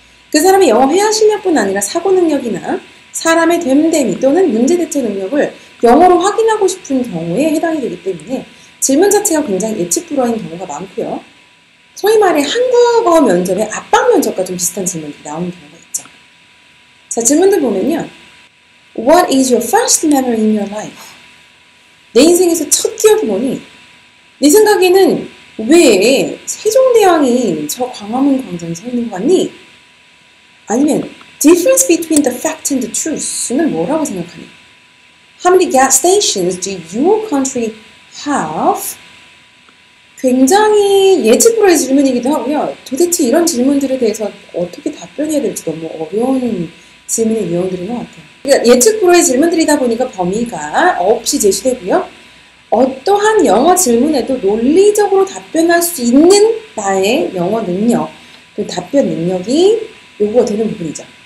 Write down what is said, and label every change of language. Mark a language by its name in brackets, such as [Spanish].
[Korean] 그 사람의 영어 회화 실력뿐 아니라 사고 능력이나 사람의 됨됨이 또는 문제 대처 능력을 영어로 확인하고 싶은 경우에 해당이 되기 때문에 질문 자체가 굉장히 예측 불허인 경우가 많고요. 소위 말해 한국어 면접의 압박 면접과 좀 비슷한 질문이 나오는 경우가 있죠. 자, 질문들 보면요. [English] What is your first memory in your life? [Korean] 내 인생에서 첫 기억이 뭐니? 네 생각에는 왜 세종대왕이 저 광화문 광장에 서 있는 것 같니? 아니면 [English] difference between the fact and the truth [Korean] 는 뭐라고 생각하니? [English] How many gas stations do your country have? [Korean] 굉장히 예측불허의 질문이기도 하고요. 도대체 이런 질문들에 대해서 어떻게 답변해야 될지 너무 어려운 질문의 유형들인 것 같아요. 그러니까 예측불허의 질문들이다 보니까 범위가 없이 제시되고요. 어떠한 영어 질문에도 논리적으로 답변할 수 있는 나의 영어 능력, 그 답변 능력이 요구가 되는 부분이죠.